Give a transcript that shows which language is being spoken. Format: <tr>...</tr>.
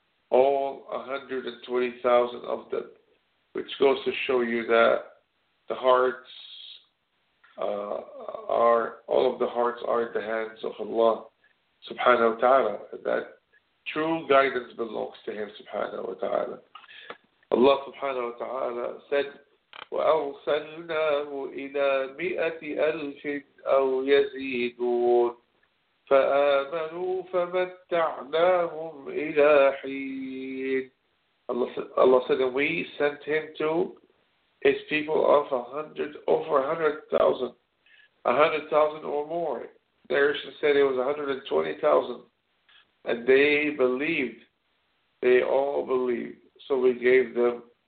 <en>All 120,000 of them, which goes to show you that the hearts are in the hands of Allah subhanahu wa ta'ala, that true guidance belongs to him subhanahu wa ta'ala. Allah subhanahu wa ta'ala said,</en> <ar>وَأَرْسَلْنَاهُ إِلَىٰ مِئَةِ أَلْفٍ أَوْ يَزِيدُونَ فَآمَنُوا فَمَتَّعْنَاهُمْ إِلَىٰ حِينٍ.</ar> <en>Allah said, and we sent him to his people of over 100,000 or more. The Irishan said it was 120,000. And they believed. They all believed. So we gave them</en>